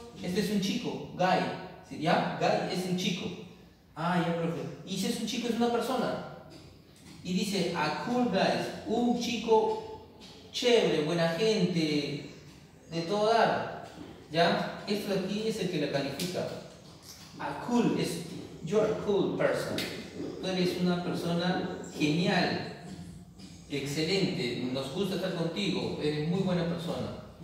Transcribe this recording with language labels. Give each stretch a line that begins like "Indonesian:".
Spanish: Este es un chico, guy. ¿Ya? Guy es un chico. Ah, ya, profe. ¿Y si es un chico, es una persona? Y dice,
English: a cool guys,
Spanish: un chico chévere, buena gente, de todo dar. ¿Ya? Esto de aquí es el que le califica.
English: A cool es, you're a cool person.
Spanish: Tú eres una persona genial, excelente, nos gusta estar contigo, eres muy buena persona.